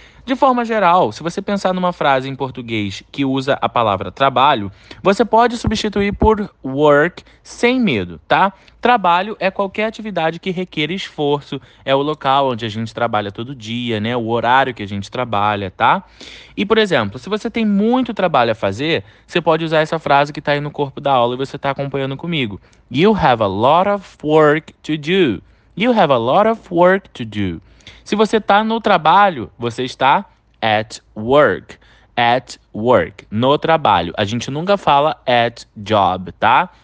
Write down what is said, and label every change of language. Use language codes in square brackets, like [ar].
[pt] De forma geral, se você pensar numa frase em português que usa a palavra trabalho, você pode substituir por work sem medo, tá? Trabalho é qualquer atividade que requer esforço, é o local onde a gente trabalha todo dia, né? O horário que a gente trabalha, tá? E, por exemplo, se você tem muito trabalho a fazer, você pode usar essa frase que tá aí no corpo da aula e você tá acompanhando comigo. [en] You have a lot of work to do. You have a lot of work to do. [pt] Se você está no trabalho, você está [en] at work. At work, [pt] no trabalho. A gente nunca fala [en] at job, [pt] tá?